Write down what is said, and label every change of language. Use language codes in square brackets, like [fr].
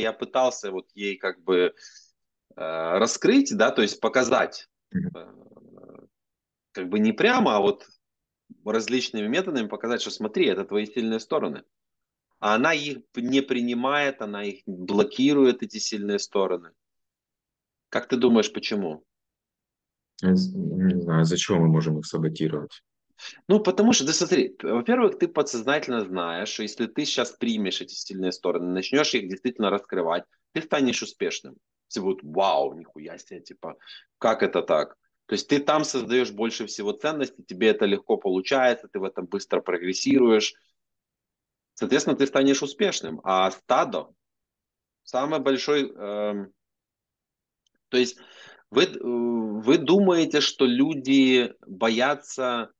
[ru] Я пытался вот ей как бы раскрыть, да, то есть показать, как бы не прямо, а вот различными методами показать, что смотри, это твои сильные стороны. А она их не принимает, она их блокирует, эти сильные стороны. [uk] Як ти думаєш, чому? Не знаю, за чого ми можемо їх саботувати. Ну, тому що, [ru] смотри, во-первых, [uk] ти [ru] подсознательно [uk] знаєш, що якщо ти зараз приймеш ці сильні сторони, почнеш їх дійсно розкривати, ти станеш успішним. Це буде вау, ніхуя себе, типа, як це так? [ru] То есть ти там создаешь больше всего ценностей, тебе это легко получается, ты в этом быстро прогрессируешь. Соответственно, ты станешь успешным. А стадо самый большой. То есть вы думаете, что люди боятся.